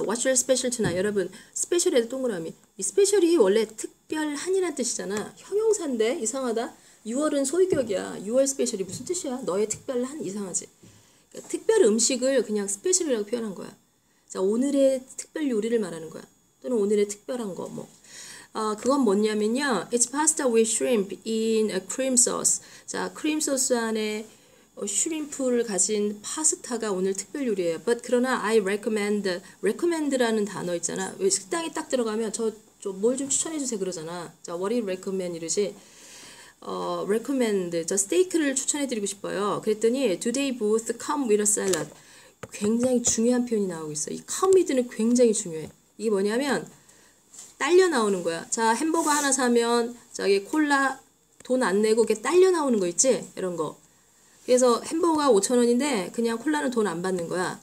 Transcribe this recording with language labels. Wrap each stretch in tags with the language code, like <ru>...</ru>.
<en>What's your special tonight?</en> <ko>여러분, special에도 동그라미. 이 special이 원래 특별한이란 뜻이잖아. 형용사인데 이상하다. 6월은 소유격이야. 6월 스페셜이 무슨 뜻이야? 너의 특별한? 이상하지? 그러니까 특별 음식을 그냥 스페셜이라고 표현한 거야. 자, 오늘의 특별 요리를 말하는 거야. 또는 오늘의 특별한 거, 뭐. 그건 뭐냐면요.</ko> <en>It's pasta with shrimp in a cream sauce.</en> <ko>자, 크림 소스 안에 슈림프를 가진 파스타가 오늘 특별 요리예요. But 그러나</ko> <en>I recommend</en> <ko>라는 단어 있잖아. 왜 식당에 딱 들어가면 저뭘좀 추천해 주세요 그러잖아.</ko> <en>자, what do you recommend</en> <ko>이러지?</ko> <en>recommend.</en> <ko>저 스테이크를 추천해 드리고 싶어요. 그랬더니</ko> <en>do they both come with a salad?</en> <ko>굉장히 중요한 표현이 나오고 있어. 이 come with는 굉장히 중요해. 이게 뭐냐면 딸려 나오는 거야. 자, 햄버거 하나 사면 저기 콜라 돈안 내고 이게 딸려 나오는 거 있지? 이런 거. 그래서 햄버거가 5,000원인데 그냥 콜라는 돈안 받는 거야.</ko>